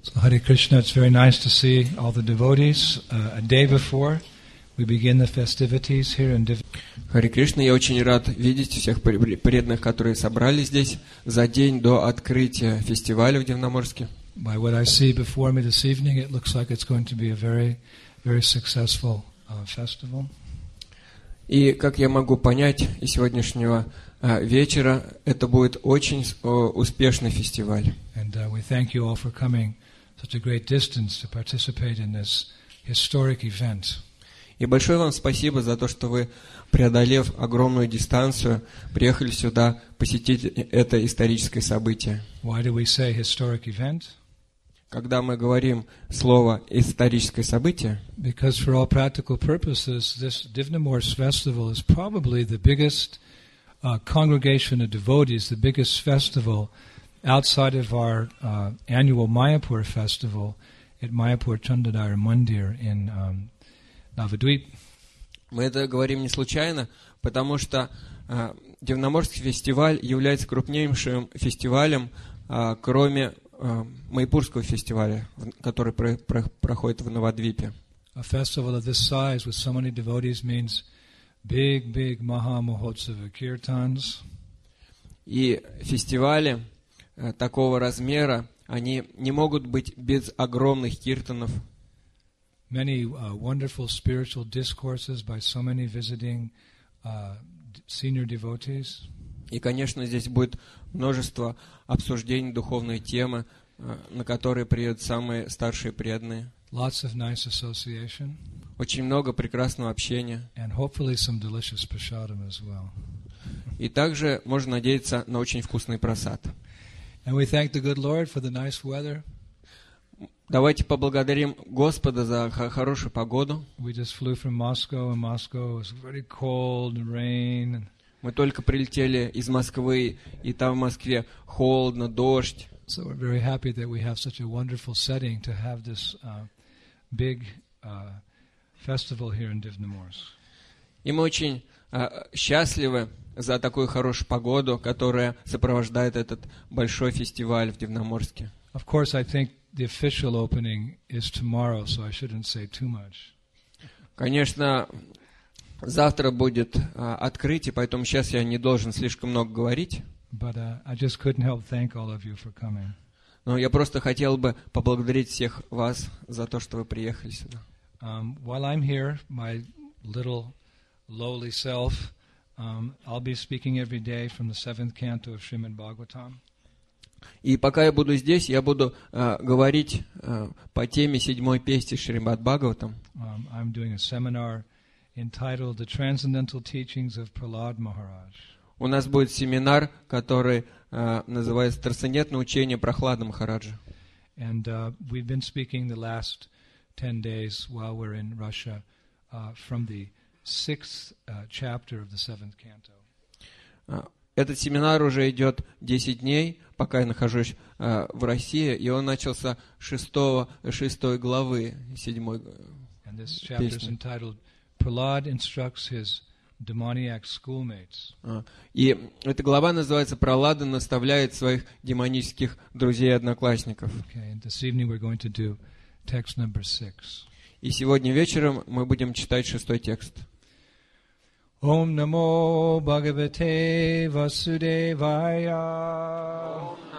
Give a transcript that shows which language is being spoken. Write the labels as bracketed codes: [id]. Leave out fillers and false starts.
[en] Hare Krishna, it's very nice to see all the devotees. A day before we begin the festivities here in [ru] Hare Krishna, я очень рад видеть всех преданных, которые собрались здесь за день до открытия фестиваля в Дивноморске. [en] By what I see before me this evening, it looks like it's going to be a very, very successful festival. [ru] И как я могу понять из сегодняшнего вечера, это будет очень успешный фестиваль. [en] And we thank you all for coming such a great distance to participate in this historic event. [ru] И большое вам спасибо за то, что вы, преодолев огромную дистанцию, приехали сюда посетить это историческое событие. [en] Why do we say historic event? [ru] Когда мы говорим слово «историческое событие»? [en] Because for all practical purposes, this Divnamors festival is probably the biggest congregation of devotees, the biggest festival outside of our annual Mayapur festival at Mayapur Chandadhara Mandir in Navadvip. [ru] Мы это говорим не случайно, потому что Дивноморский фестиваль является крупнейшим фестивалем, кроме Майпурского фестиваля, который проходит в Навадвипе. [en] A festival of this size with so many devotees means big, big Mahamahotsava kirtans. [ru] И фестивали такого размера, они не могут быть без огромных киртанов. [en] Many wonderful spiritual discourses by so many visiting senior devotees. [ru] И, конечно, здесь будет множество обсуждений духовной темы, на которые приедут самые старшие преданные. [en] Lots of nice association. [ru] Очень много прекрасного общения. [en] And hopefully some delicious prasadam as well. [ru] И также можно надеяться на очень вкусный прасад. [en] And we thank the good Lord for the nice weather. [ru] Давайте поблагодарим Господа за хорошую погоду. [en] We just flew from Moscow, and Moscow was very cold and rain. [ru] Мы только прилетели из Москвы, и там в Москве холодно, дождь. [en] So we're very happy that we have such a wonderful setting to have this big festival here in Divnamors. [ru] И мы очень счастливы за такую хорошую погоду, которая сопровождает этот большой фестиваль в Дивноморске. [en] Of course, I think the official opening is tomorrow, so I shouldn't say too much. [ru] Конечно, завтра будет открытие, поэтому сейчас я не должен слишком много говорить. [en] But I just couldn't help thank all of you for coming. [ru] Но я просто хотел бы поблагодарить всех вас за то, что вы приехали сюда. [en] While I'm here, my little lowly self, I'll be speaking every day from the seventh canto of Srimad Bhagavatam. [ru] И пока я буду здесь, я буду говорить по теме седьмой песни Шримад Бхагаватам. [en] I'm doing a seminar entitled "The Transcendental Teachings of Prahlad Maharaj." [ru] У нас будет семинар, который называется «Трансцендентное учение Прохлады Махараджа». [en] And we've been speaking the last 10 days while we're in Russia from the sixth chapter of the seventh canto. [ru] Этот семинар уже идет 10 дней, пока я нахожусь в России, и он начался шестой главы седьмой песни. [en] And this chapter is entitled "Prahlad instructs his demoniac schoolmates." [ru] И эта глава называется «Прохлада наставляет своих демонических друзей и одноклассников». [en] Okay, and this evening we're going to do text number six. [ru] И сегодня вечером мы будем читать шестой текст. [sa] Ом намо Бхагавате Васудевая.